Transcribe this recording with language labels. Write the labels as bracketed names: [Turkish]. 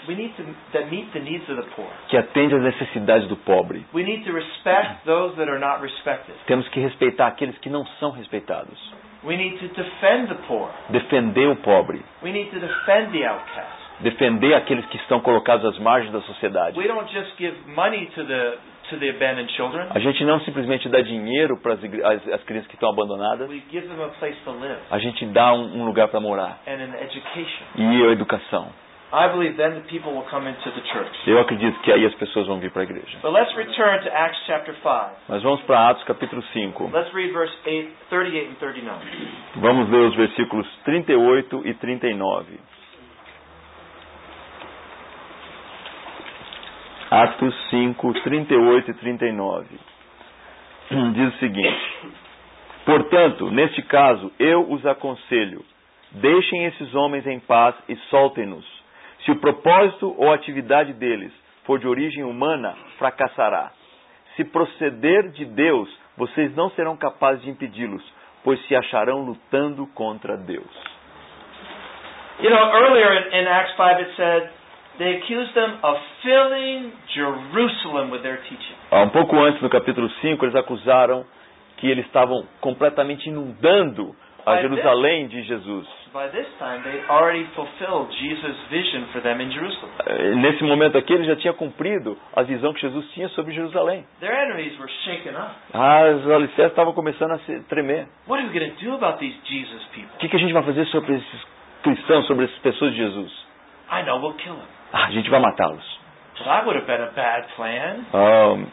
[English] We need to, that meet the needs of the poor. [Portuguese] Que atende às necessidades do pobre. [English] We need to respect those that are not respected. [Portuguese] Temos que respeitar aqueles que não são respeitados. [English] We need to defend the poor. [Portuguese] Defender o pobre. [English] We need to defend the outcast. [Portuguese] Defender aqueles que estão colocados às margens da sociedade. [English] We don't just give money to the abandoned children. [Portuguese] A gente não simplesmente dá dinheiro para as crianças que estão abandonadas. [English] We give them a place to live. [Portuguese] A gente dá um lugar para morar. [English] And an education. [Portuguese] E a educação. [English] I believe then the people will come into the church. [Portuguese] Eu acredito que aí as pessoas vão vir para a igreja. [English] But let's return to Acts chapter 5. [Portuguese] Mas vamos para Atos capítulo 5. [English] Let's read verse 38 and 39. [Portuguese] Vamos ler os versículos 38 e 39. Atos 5, 38 e 39. Diz o seguinte: portanto, neste caso, eu os aconselho, deixem esses homens em paz e soltem-nos. Se o propósito ou atividade deles for de origem humana, fracassará. Se proceder de Deus, vocês não serão capazes de impedi-los, pois se acharão lutando contra Deus. [English] You know, earlier in Acts 5 it said, they accused them of filling Jerusalem with their teaching. [Portuguese] Um pouco antes, no capítulo 5, eles acusaram que eles estavam completamente inundando a Jerusalém de Jesus. [English] By this time, they already fulfilled Jesus' vision for them in Jerusalem. [Portuguese] Nesse momento aqui, ele já tinha cumprido a visão que Jesus tinha sobre Jerusalém. [English] Their enemies were shaken up. [Portuguese] As alicerces estavam começando a se tremer. [English] What are we going to do about these Jesus people? [Portuguese] Que a gente vai fazer sobre esses cristãos, sobre essas pessoas de Jesus? [English] I know we'll kill them. [Portuguese] A gente vai matá-los. [English] But that would have been a bad plan.